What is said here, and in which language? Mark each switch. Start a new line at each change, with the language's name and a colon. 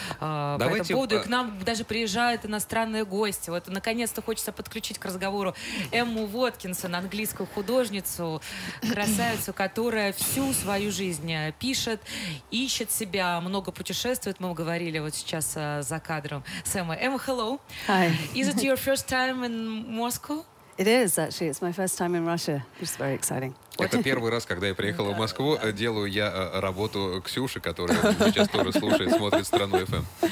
Russian: Давайте, по этому поводу. И к нам даже приезжают иностранные гости. Вот, наконец-то хочется подключить к разговору Эмму Уоткинсон, английскую художницу, красавицу, которая всю свою жизнь пишет, ищет себя, много путешествует. Мы говорили вот сейчас за кадром с Эммой.
English: Эмма, hello. Hi. Is it your first time in Moscow? It is, actually. It's my first time in Russia, which is very exciting.
Russian: Это первый раз, когда я приехала в Москву. Делаю я работу Ксюши, которая сейчас тоже слушает, смотрит «Страну FM».